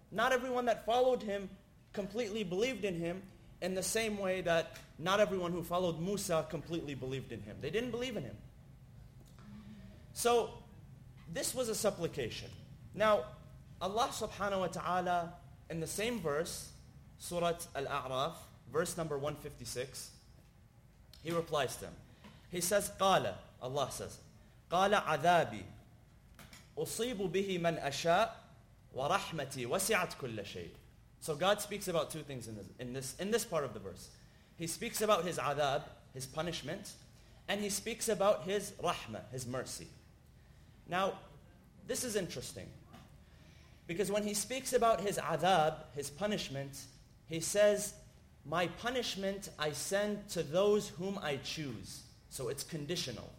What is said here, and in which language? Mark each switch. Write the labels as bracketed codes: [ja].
[en] Not everyone that followed him completely believed in him, in the same way that not everyone who followed Musa completely believed in him. They didn't believe in him. So, this was a supplication. Now, Allah subhanahu wa ta'ala, in the same verse, Surah Al-A'raf, verse number 156, he replies to him. He says, [ar] قَالَ, [en] Allah says, [ar] قَالَ عَذَابِ أُصِيبُ بِهِ مَنْ أَشَاءُ وَرَحْمَتِي وَسِعَتْ كُلَّ شَيْءٍ. [en] So God speaks about two things in this part of the verse. He speaks about his adab, his punishment, and he speaks about his rahmah, his mercy. Now, this is interesting. Because when he speaks about his adab, his punishment, he says, my punishment I send to those whom I choose. So it's conditional.